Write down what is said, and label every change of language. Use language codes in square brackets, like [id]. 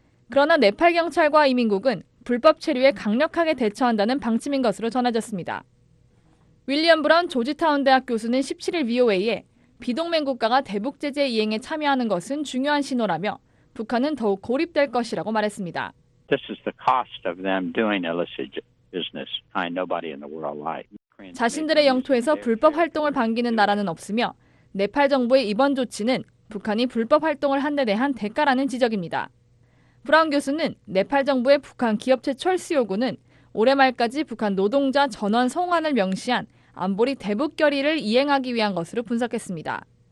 [ko] 그러나 네팔 경찰과 이민국은 불법 체류에 강력하게 대처한다는 방침인 것으로 전해졌습니다. 윌리엄 브라운 조지타운 대학 교수는 17일 VOA에 비동맹 국가가 대북 제재 이행에 참여하는 것은 중요한 신호라며 북한은 더욱 고립될 것이라고 말했습니다. [en] This is the cost of them doing illicit business. Nobody in the world likes. [ko] 자신들의 영토에서 불법 활동을 반기는 나라는 없으며 네팔 정부의 이번 조치는 북한이 불법 활동을 한 데 대한 대가라는 지적입니다. 브라운 교수는 네팔 정부의 북한 기업체 철수 요구는 올해 말까지 북한 노동자 전원 송환을 명시한 안보리 대북 결의를 이행하기 위한 것으로 분석했습니다.